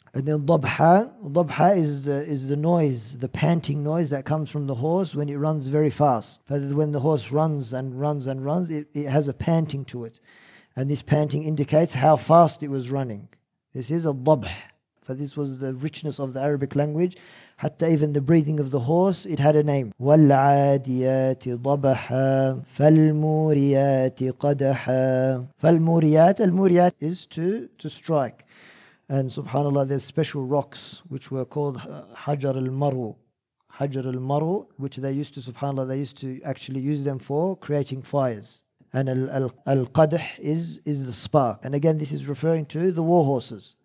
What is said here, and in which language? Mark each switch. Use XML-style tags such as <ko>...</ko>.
<en>And then dabha is the noise, the panting noise that comes from the horse when it runs very fast. When the horse runs and runs and runs, it has a panting to it. And this panting indicates how fast it was running. This is a dabha. For this was the richness of the Arabic language. Hatta even the breathing of the horse, it had a name.</en> <ar>وَالْعَادِيَاتِ ضَبَحَا فَالْمُورِيَاتِ قَدَحَا فَالْمُورِيَاتِ</ar> <en>Al-Muriyat is to strike. And subhanAllah, there's special rocks which were called Hajar al-Maru. Hajar al-Maru, which they used to, subhanAllah, they used to actually use them for creating fires. And al-Qadh is the spark. And again, this is referring to the war horses.</en>